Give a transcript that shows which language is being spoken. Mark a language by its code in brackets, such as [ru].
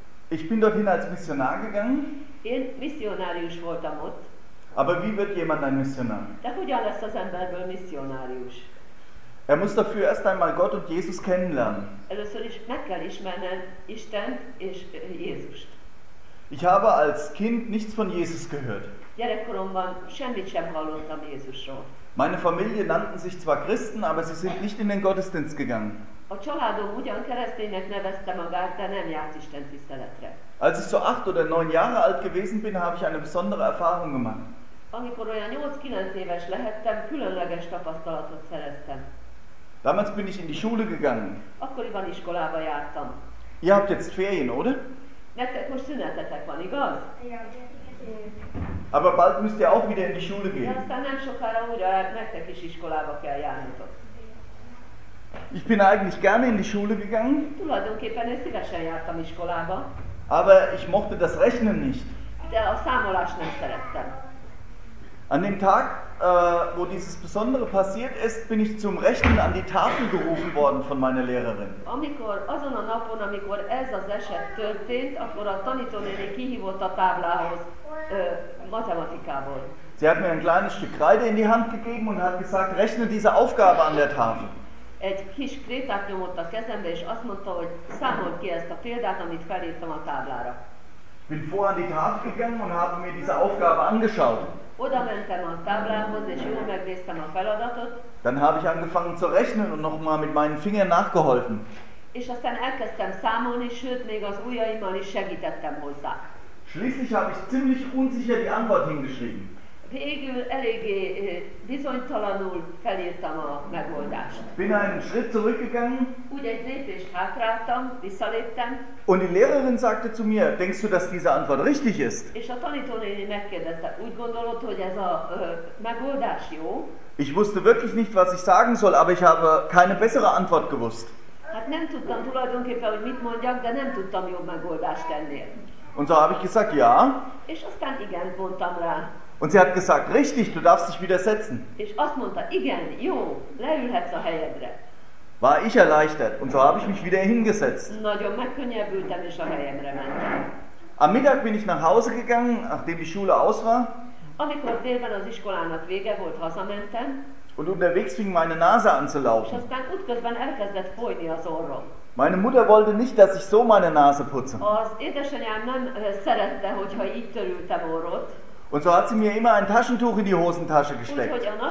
[de] Ich bin dorthin als Missionar gegangen. [hu] Én missionárius voltam ott. [de] Aber wie wird jemand ein Missionar? [hu] De hogyan lesz az emberből missionárius? [de] Er muss dafür erst einmal Gott und Jesus kennenlernen. [hu] Először is meg kell ismernem Istent és Jézust. [de] Ich habe als Kind nichts von Jesus gehört. [hu] Gyerekkoromban semmit sem hallottam Jézusról. [de] Meine Familie nannten sich zwar Christen, aber sie sind nicht in den Gottesdienst gegangen. [hu] A családom ugyan kereszténynek nevezte magát, de nem járt Isten tiszteletre. [de] Als ich so 8 oder 9 Jahre alt gewesen bin, habe ich eine besondere Erfahrung gemacht. [hu] Amikor olyan 8-9 éves lehettem, különleges tapasztalatot szereztem. [de] Damals bin ich in die Schule gegangen. [hu] Akkoriban iskolába jártam. [de] Ihr habt jetzt Ferien, oder? [hu] Nektek most szünetetek van, igaz? [de] Aber bald müsst ihr auch wieder in die Schule gehen. [hu] De aztán nem sokára újra nektek is iskolába kell járnotok. [de] Ich bin eigentlich gerne in die Schule gegangen. [hu] Tulajdonképpen én szívesen jártam iskolába. [de] Aber ich mochte das Rechnen nicht. [hu] De a számolást nem szerettem. [de] An dem Tag, wo dieses Besondere passiert ist, bin ich zum Rechnen an die Tafel gerufen worden von meiner Lehrerin. [hu] Amikor azon a napon, amikor ez az eset történt, akkor a tanítónéni kihívott a táblához matematikából. [de] Sie hat mir ein kleines Stück Kreide in die Hand gegeben und hat gesagt, rechne diese Aufgabe an der Tafel. [hu] Egy kis krétát nyomott a kezembe, és azt mondta, hogy számolj ki ezt a példát, amit felírtam a táblára. [de] Bin vor an die Tafel gegangen und habe mir diese Aufgabe angeschaut. [hu] Oda mentem a táblához, és jól megnéztem a feladatot. [de] Dann habe ich angefangen zu rechnen und nochmal mit meinen Fingern nachgeholfen. [hu] És aztán elkezdtem számolni, sőt, még az ujjaimmal is segítettem hozzá. [de] Schließlich habe ich ziemlich unsicher die Antwort hingeschrieben. [hu] Végül eléggé bizonytalanul felírtam a megoldást. [de] Bin einen Schritt zurückgegangen. [hu] Úgy egy lépést hátráltam, visszaléptem. [de] Und die Lehrerin sagte zu mir, denkst du, dass diese Antwort richtig ist? [hu] És a tanítónéni megkérdezte, úgy gondolod, hogy ez a megoldás jó? [de] Ich wusste wirklich nicht, was ich sagen soll, aber ich habe keine bessere Antwort gewusst. [hu] Hát nem tudtam tulajdonképpen, hogy mit mondjak, de nem tudtam jobb megoldást ennél. [de] Und so habe ich gesagt, ja. [hu] És aztán igen mondtam rá. [de] Und sie hat gesagt, richtig, du darfst dich wieder setzen. [hu] És azt mondta, igen, jó, leülhetsz a helyedre. [de] War ich erleichtert und so habe ich mich wieder hingesetzt. [hu] Nagyon megkönnyebbültem és a helyemre mentem. [de] Am Mittag bin ich nach Hause gegangen, nachdem die Schule aus war. [hu] Amikor délben az iskolának vége volt, hazamentem. [de] Und unterwegs fing meine Nase an zu laufen. [hu] És aztán útközben elkezdett folyni az orrom. [de] Meine Mutter wollte nicht, dass ich so meine Nase putze. [hu] Az édesanyám nem szerette, hogyha így törültem orrot. [de] Und so hat sie mir immer ein Taschentuch in die Hosentasche gesteckt.